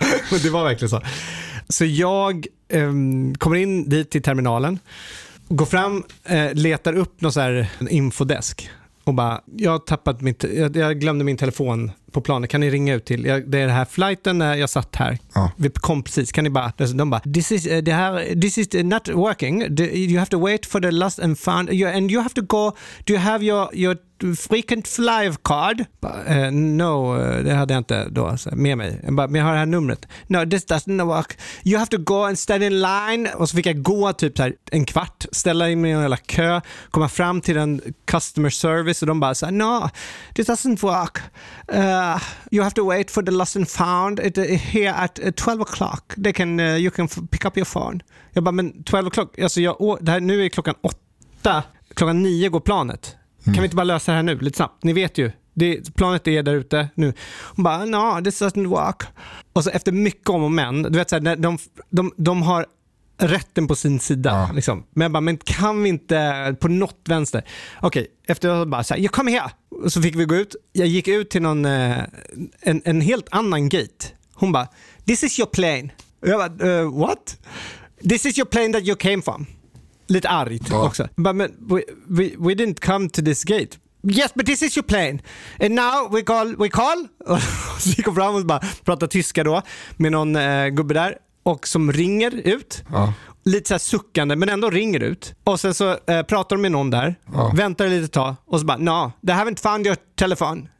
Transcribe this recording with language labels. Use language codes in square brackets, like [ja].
[sv] Men det var verkligen så. Så jag kommer in dit till terminalen, går fram, letar upp någon så här infodesk. Och bara, jag glömde min telefon på planet, kan ni ringa ut till, det är det här flighten när jag satt här. Ja. Vi kom precis, kan ni bara, de bara, [en] this is not working, you have to wait for the last and found, and you have to go, do you have your frequent flyer card? [sv] No, det hade jag inte då med mig. Men jag har det här numret. [en] No, this doesn't work. You have to go and stand in line. [sv] Och så fick jag gå typ så här en kvart, ställa in mig i en jävla kö, komma fram till en customer service och de bara såhär, [en] no, this doesn't work. You have to wait for the lost and found. It here at 12 o'clock. They can, you can pick up your phone. [sv] Jag bara, men 12 o'clock? Alltså jag, det här, nu är klockan 8. Klockan 9 går planet. Mm. Kan vi inte bara lösa det här nu, lite snabbt? Ni vet ju, planet är där ute nu. Hon bara, [en] no, this doesn't work. [sv] Och så efter mycket om och men, du vet så här, de har rätten på sin sida. Ja. Liksom. Men jag bara, men kan vi inte på något vänster? Okej, okay. Efter att jag bara, jag kommer här. Och så fick vi gå ut. Jag gick ut till någon, en helt annan gate. Hon bara, [en] this is your plane. [sv] Och jag bara, [en] what? This is your plane that you came from. [sv] Lite argt också. [en] But we didn't come to this gate. Yes, but this is your plane. And now we call. [sv] Och så gick hon fram och bara pratade tyska då med någon gubbe där. Och som ringer ut. Ja. Lite så här suckande, men ändå ringer ut. Och sen så pratar de med någon där. Ja. Väntar lite tag. Och så bara, [en] no, they haven't found your telephone.